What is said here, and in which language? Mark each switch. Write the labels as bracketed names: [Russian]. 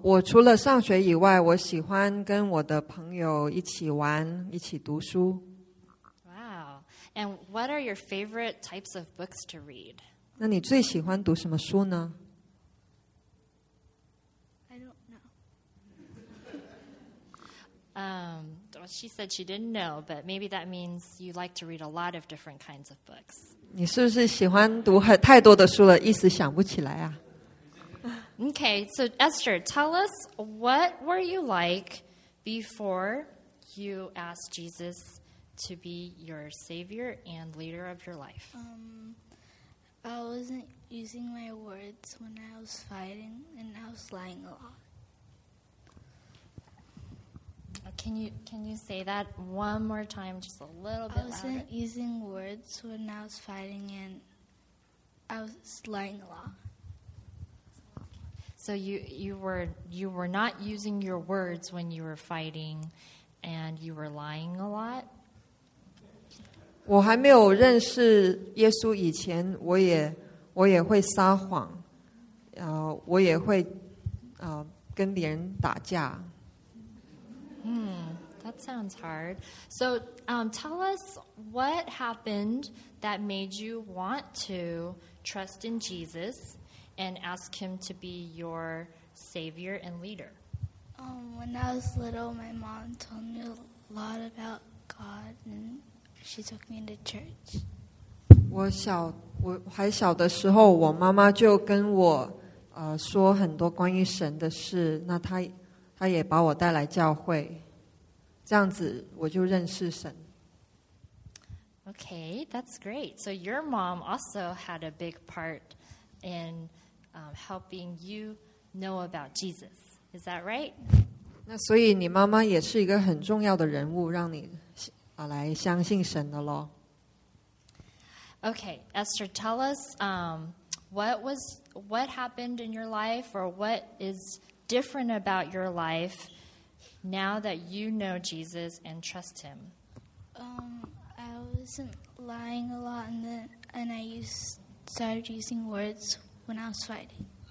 [Chinese] 我除了上学以外，我喜欢跟我的朋友一起玩，一起读书。 [English] Wow. And what are your favorite types of books to read? [Chinese] 那你最喜欢读什么书呢？ [English] I don't know. Do Well, she said she didn't know, but maybe that means you like to read a lot of different kinds of books. [Chinese] 你是不是喜欢读太多的书了，一时想不起来啊？ [English] Okay, so Esther, tell us, what were you like before you asked Jesus to be your savior and leader of your life? I wasn't using my words when I was fighting, and I was lying a lot. Can you say that one more time, just a little bit louder? I wasn't using words when I was fighting, and I was lying a lot. So you were not using your words when you were fighting, and you were lying a lot? [Chinese] 我还没有认识耶稣以前，我也会撒谎，我也会跟别人打架。 [English] That sounds hard. So, tell us what happened that made you want to trust in Jesus and ask him to be your savior and leader. When I was little, my mom told me a lot about God and she took me to church. [Chinese] 我还小的时候，我妈妈就跟我说很多关于神的事，那她也把我带来教会，这样子我就认识神。 [English] Okay, that's great. So your mom also had a big part in helping you know about Jesus. Is that right? [Chinese] 那所以你妈妈也是一个很重要的人物，让你来相信神的咯。 [English] Okay, Esther, tell us what happened in your life or what is different about your life now that you know Jesus and trust him. I wasn't lying a lot and I started using words when I was fighting.